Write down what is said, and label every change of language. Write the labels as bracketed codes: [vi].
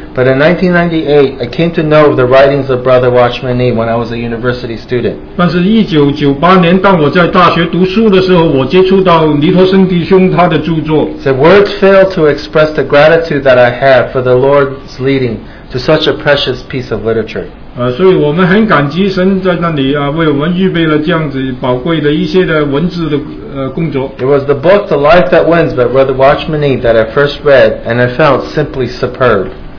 [en] But in 1998, I came to know the writings of Brother Watchman Nee when I was a university student. [zh] 但是1998年，当我在大学读书的时候，我接触到尼托森弟兄他的著作。 [en] Said words fail to express the gratitude that I have for the Lord's leading to such a precious piece of literature. [zh] 所以我们很感激神在那里为我们预备了这样子宝贵的一些的文字的工作。 [en] It was the book, The Life That Wins, by Brother Watchman Nee that I first read, and I felt simply superb.